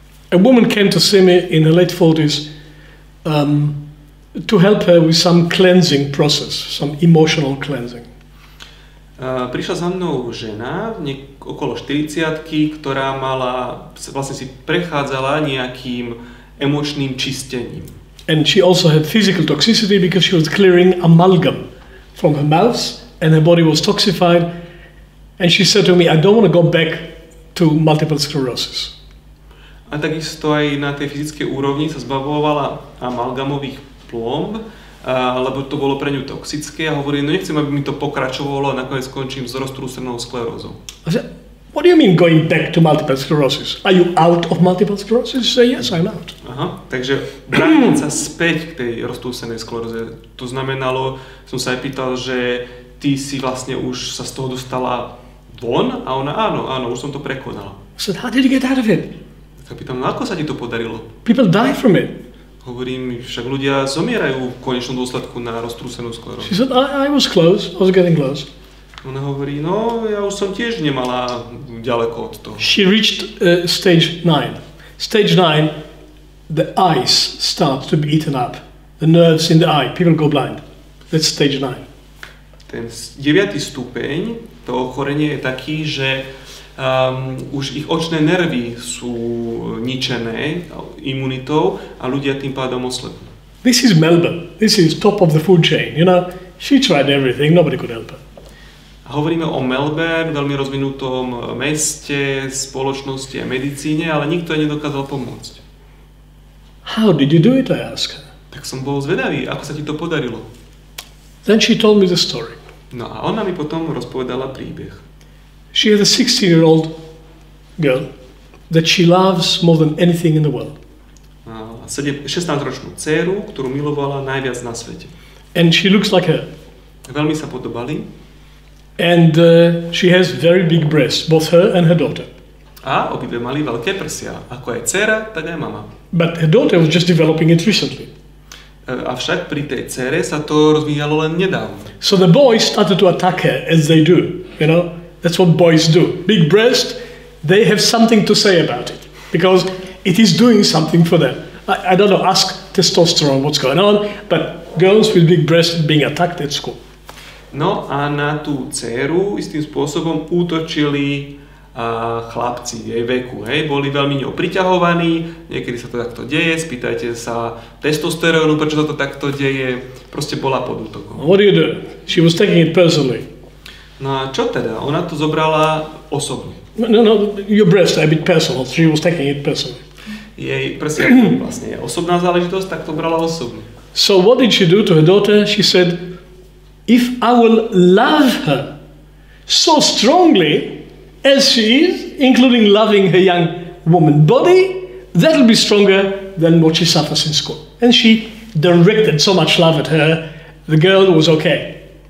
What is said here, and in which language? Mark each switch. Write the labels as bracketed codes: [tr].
[en] A woman came to see me in the late 40s to help her with some cleansing process, some emotional cleansing. [sk] Prišla za mnou žena, okolo 40-ky, ktorá mala, vlastne si prechádzala nejakým emočným čistením. [en] And she also had physical toxicity because she was clearing amalgam from her mouth and her body was toxified. And she said to me, I don't want to go back to multiple sclerosis. [sk] A takisto aj na tej fyzickej úrovni sa zbavovala amalgamových plomb, lebo to bolo pre ňu toxické a hovorí, no nechcem, aby mi to pokračovalo a nakoniec skončím s roztrúsenou sklerózou. [en] I said, what do you mean going back to multiple sclerosis? Are you out of multiple sclerosis? She said, yes, I'm out. [sk] Aha, takže vrátiť sa späť k tej roztrúsenej skleróze. To znamenalo, som sa aj pýtal, že ty si vlastne už sa z toho dostala von a ona, áno, áno, už som to prekonala. [en] I said, how did you get out of it? [sk] Tak pýtam, no ako sa ti to podarilo? [en] People die from it. [sk] Hovorím, však ľudia zomierajú v konečnom dôsledku na roztrúsenú sklerózu. [en] She said, I was close, I was getting close. [sk] Ona hovorí, no ja už som tiež nemala ďaleko od toho. [en] She reached stage 9. Stage 9, the eyes start to be eaten up. The nerves in the eye, people go blind. That's stage 9. [sk] Ten 9. stupeň, to ochorenie je taký, že už ich očné nervy sú ničené imunitou a ľudia tým pádom oslepnú. [en] This is Melbourne. This is top of the food chain. You know, she tried everything, nobody could help her. [sk] Hovoríme o Melbourne, veľmi rozvinutom meste, spoločnosti a medicíne, ale nikto jej nedokázal pomôcť. [en] How did you do it, I ask her. [sk] Tak som bol zvedavý, ako sa ti to podarilo. [en] Then she told me the story. [sk] No a ona mi potom rozpovedala príbeh. [en] She has a 16-year-old girl that she loves more than anything in the world. [sk] A 16-ročnú dcéru, ktorú milovala najviac na svete. [en] And she looks like her. [sk] Veľmi sa podobali. [en] And she has very big breasts, both her and her daughter. [sk] A obidve mali veľké prsia, ako aj dcéra, tak aj mama. [en] But her daughter was just developing it recently. [sk] Avšak pri tej dcére sa to rozvíjalo len nedávno. [en] So the boys started to attack her, as they do, you know. That's what boys do. Big breast, they have something to say about it. Because it is doing something for them. I don't know, ask testosterone what's going on, but girls with big breasts being attacked at school. [sk] No a na tú dceru istým spôsobom útočili chlapci jej veku. Hej? Boli veľmi neopriťahovaní, niekedy sa to takto deje, spýtajte sa testosterónu, prečo sa to takto deje. Proste bola pod útokom. [en] What do you do? She was taking it personally. [sk] No a čo teda? Ona to zobrala osobne. [en] No, your breast, a bit personal, she was taking it personally. [sk] Jej prsia, vlastne osobná záležitosť, tak to brala osobne. [en] So what did she do to her daughter? She said, if I will love her so strongly as she is, including loving her young woman body, that'll be stronger than what she suffers in school. And she directed so much love at her, the girl was okay.